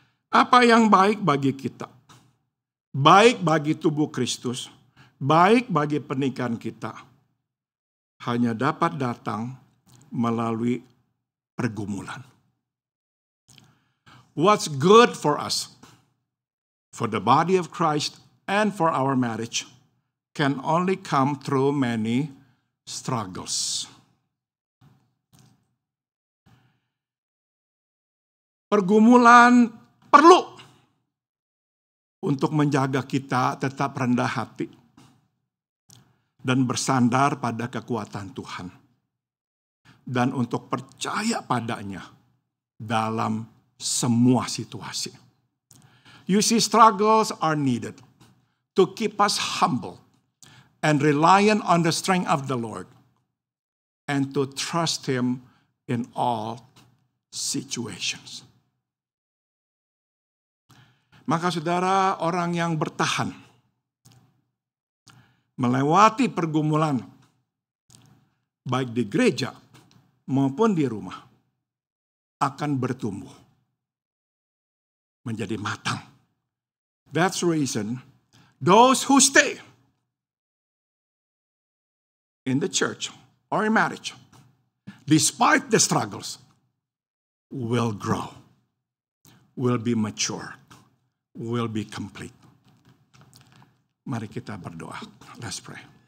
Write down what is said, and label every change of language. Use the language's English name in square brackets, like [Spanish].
[Indonesian] Apa yang baik bagi kita, baik bagi tubuh Kristus, baik bagi pernikahan kita, hanya dapat datang melalui pergumulan. [English] What's good for us, for the body of Christ, and for our marriage, can only come through many struggles. [Indonesian] Pergumulan perlu untuk menjaga kita tetap rendah hati dan bersandar pada kekuatan Tuhan dan untuk percaya padanya dalam semua situasi. [English] You see, struggles are needed to keep us humble and reliant on the strength of the Lord and to trust Him in all situations. [Indonesian] Maka saudara, orang yang bertahan melewati pergumulan baik di gereja maupun di rumah akan bertumbuh menjadi matang. [English] That's reason those who stay in the church or in marriage despite the struggles will grow, will be mature, will be complete. [Indonesian] Mari kita berdoa. [English] Let's pray.